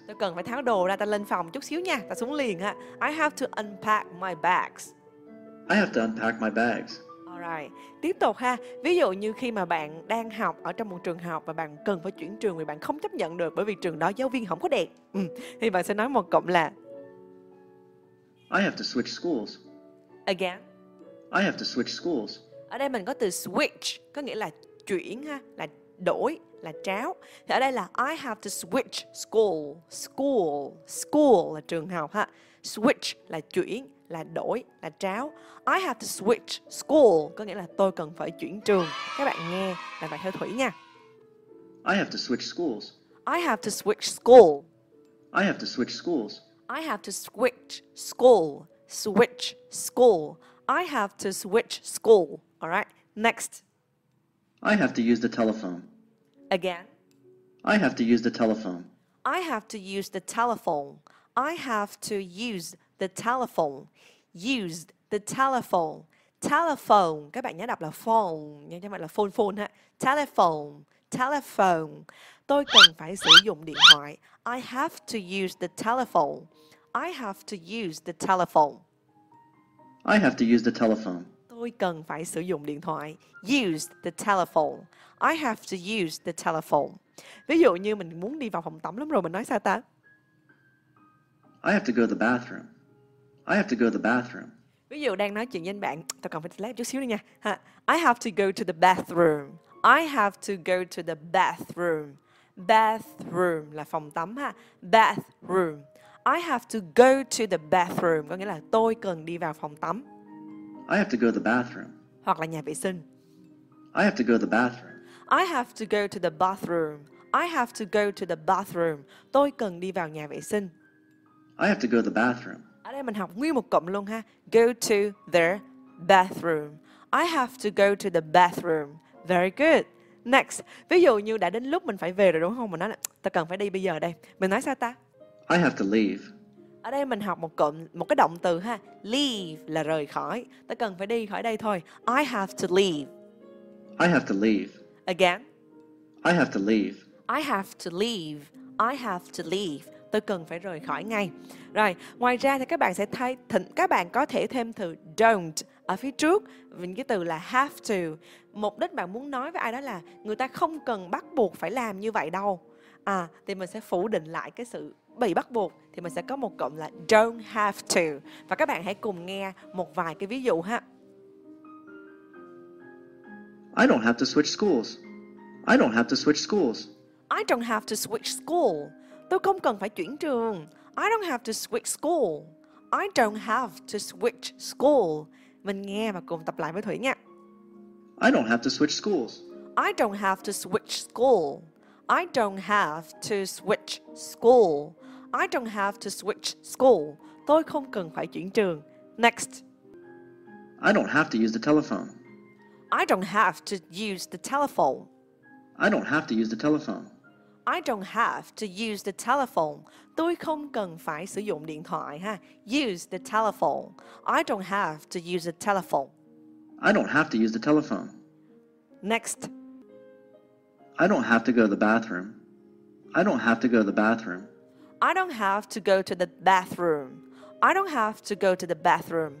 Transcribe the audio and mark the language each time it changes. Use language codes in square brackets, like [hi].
[vi] Tôi cần phải tháo đồ ra, tao lên phòng chút xíu nha, tao xuống liền ha. [en] I have to unpack my bags. I have to unpack my bags. Alright, [vi] tiếp tục ha. Ví dụ như khi mà bạn đang học ở trong một trường học và bạn cần phải chuyển trường vì bạn không chấp nhận được bởi vì trường đó giáo viên không có đẹp. Thì bạn sẽ nói một cụm là [en] I have to switch schools. Again. I have to switch schools. [vi] Ở đây mình có từ switch, có nghĩa là chuyển ha, là đổi, là tráo. Thì ở đây là [en] I have to switch school. School. [vi] School là trường học ha. Switch là chuyển, là đổi, là tráo. [en] I have to switch school. [vi] Có nghĩa là tôi cần phải chuyển trường. Các bạn nghe là phải theo Thủy nha. [en] I have to switch schools. I have to switch school. I have to switch schools. I have to switch school. Switch school. I have to switch school. Alright, next. I have to use the telephone. Again. I have to use the telephone. I have to use the telephone. I have to use the telephone. Used the telephone. Telephone. [vi] Các bạn nhớ đọc là phone, nhưng chứ không phải là phone phone ha. Telephone. Telephone. Tôi cần phải sử dụng điện thoại. [en] I have to use the telephone. I have to use the telephone. I have to use the telephone. [vi] Tôi cần phải sử dụng điện thoại. [en] Used the telephone. I have to use the telephone. [vi] Ví dụ như mình muốn đi vào phòng tắm lắm rồi, mình nói sao ta? [en] I have to go to the bathroom. I have to go to the bathroom. [vi] Ví dụ đang nói chuyện với bạn, tôi cần phải toilet chút xíu nữa nha. [en] I have to go to the bathroom. I have to go to the bathroom. [vi] Bathroom là phòng tắm ha. [en] Bathroom. I have to go to the bathroom. [vi] Có nghĩa là tôi cần đi vào phòng tắm. [en] I have to go to the bathroom. [vi] Hoặc là nhà vệ sinh. [en] I have to go to the bathroom. I have to go to the bathroom. I have to go to the bathroom. [vi] Tôi cần đi vào nhà vệ sinh. [en] I have to go to the bathroom. [vi] Ở đây mình học nguyên một cụm luôn ha. [en] Go to the bathroom. I have to go to the bathroom. Very good. Next. [vi] Ví dụ như đã đến lúc mình phải về rồi đúng không? Mình nói là ta cần phải đi bây giờ đây. Mình nói sao ta? [en] I have to leave. [vi] Ở đây mình học một cụm, một cái động từ ha. Leave là rời khỏi. Ta cần phải đi khỏi đây thôi. [en] I have to leave. I have to leave. Again. I have to leave. I have to leave. I have to leave. [vi] Tôi cần phải rời khỏi ngay. Rồi, ngoài ra thì các bạn sẽ thay thỉnh, các bạn có thể thêm từ don't ở phía trước vì cái từ là have to. Mục đích bạn muốn nói với ai đó là người ta không cần bắt buộc phải làm như vậy đâu. À, thì mình sẽ phủ định lại cái sự bị bắt buộc thì mình sẽ có một cụm là don't have to. Và các bạn hãy cùng nghe một vài cái ví dụ ha. [en] I don't have to switch schools. I don't have to switch schools. I don't have to switch school. [vi] Tôi không cần phải chuyển trường. [en] I don't have to switch school. I don't have to switch school. [vi] Mình nghe và cùng tập lại với Thủy nha. [en] I don't have to switch schools. I don't have to switch school. I don't have to switch school. I don't have to switch school. [vi] Tôi không cần phải chuyển trường. [en] Next. I don't have to use the telephone. I don't have to use the telephone. I don't have to use the telephone. I don't have to use the telephone. [vi] Tôi không cần phải sử dụng điện thoại ha. [en] Use the telephone. I don't have to use the telephone. I don't have to use the telephone. Next. I don't have to go to the bathroom. I don't have to go to the bathroom. I don't have to go to the bathroom. I don't have to go to the bathroom.